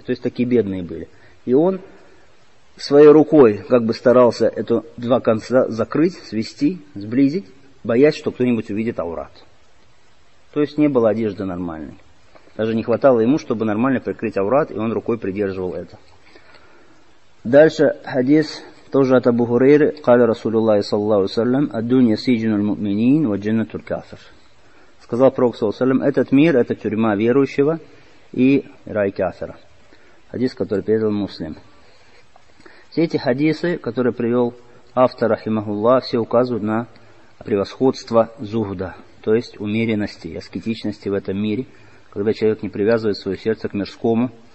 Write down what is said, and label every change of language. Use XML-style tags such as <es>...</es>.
<ru>То есть такие бедные были. И он своей рукой как бы старался эту два конца закрыть, свести, сблизить, боясь, что кто-нибудь увидит аурат. То есть не было одежды нормальной. Даже не хватало ему, чтобы нормально прикрыть аурат, и он рукой придерживал это. Дальше хадис. Тоже от Абу Хурейры.</ru> <ar>قال رسول الله صلى الله عليه وسلم: الدنيا سجن المؤمنين وجنة الكافر.</ar> <ru>Сказал пророк саллаллаху алейхи ва саллям: этот мир — это тюрьма верующего и рай кафира. Хадис, который передал Муслим. Все эти хадисы, которые привел автор рахимахуллах, все указывают на превосходство зухда, то есть умеренности, аскетичности в этом мире, когда человек не привязывает свое сердце к мирскому.</ru>